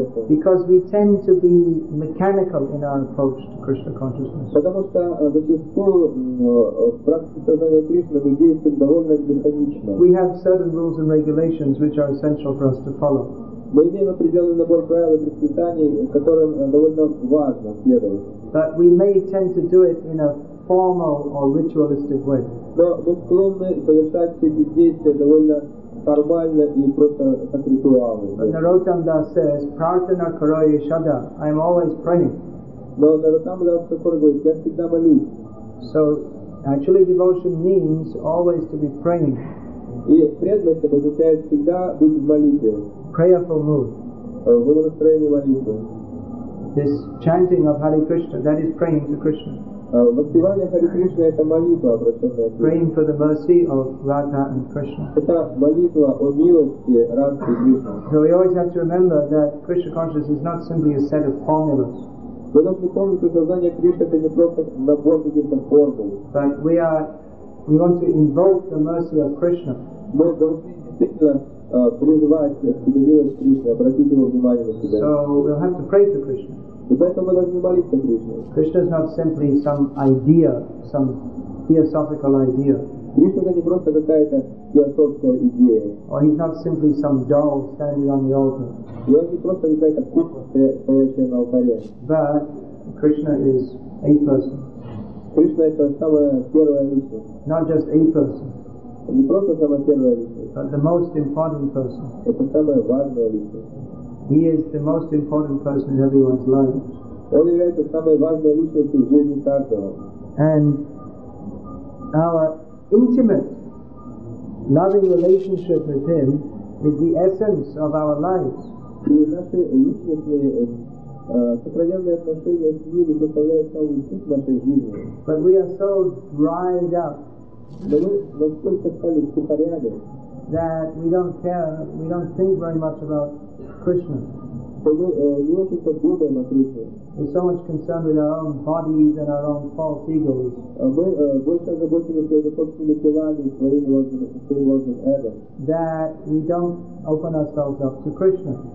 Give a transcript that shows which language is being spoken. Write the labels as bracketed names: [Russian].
[English] Because we tend to be mechanical in our approach to Krishna consciousness. [Russian] Потому что зачастую в практике сознания Кришны мы действуем довольно механично. [English] We have certain rules and regulations which are essential for us to follow. [Russian] Мы имеем определенный набор правил и предписаний, которым довольно важно следовать. [English] But we may tend to do it in a formal or ritualistic way. [Russian] Но мы склонны совершать все эти действия довольно формально и просто как ритуалы. [English] But Narottam Das says, [Bangla] Prarthana Karoye Shada, [English] I am always praying. [Russian] Но Нарутама Дас Такур говорит, я всегда молюсь. [English] So, actually devotion means always to be praying. [Russian] И преданность обозначает всегда быть в молитве. [English] Prayerful mood. [Russian] В настроении молитвы. [English] This chanting of Hare Krishna, that is praying to Krishna. [Russian] Воспевание Хари Кришны это молитва, обращенная к Богу. [English] Praying for the mercy of Radha and Krishna. [Russian] Это молитва о милости Радхи и Кришны. [English] So we always have to remember that Krishna consciousness is not simply a set of formulas. [Russian] Мы должны помнить, что сознание Кришны это не просто набор каких-то формул. [English] But we want to invoke the mercy of Krishna. [Russian] Мы должны действительно призывать к себе милость Кришны, обратить его внимание на себя. [English] So we'll have to pray to Krishna. [Russian] И поэтому мы должны молиться Кришне. [English] Krishna is not simply some idea, some theosophical idea. [Russian] Кришна это не просто какая-то философская идея. [English] Or he's not simply some doll standing on the altar. [Russian] И он не просто какая-то кукла, стоящая на алтаре. [English] But Krishna is a person. [Russian] Кришна это самая первая личность. [English] Not just a person. [Russian] Не просто самая первая личность. [English] But the most important person. [Russian] Это самая важная личность. [English] He is the most important person in everyone's life. [Russian] Он является самой важной личностью в жизни каждого. [English] And our intimate, loving relationship with him is the essence of our lives. [Russian] И наши личностные, сокровенные отношения с ними составляют самую суть нашей жизни. [English] But we are so dried up. [Russian] Но мы настолько стали сухаряды. [English] That we don't care, we don't think very much about Krishna. We're so much concerned with our own bodies and our own false egos. That we don't open ourselves up to Krishna.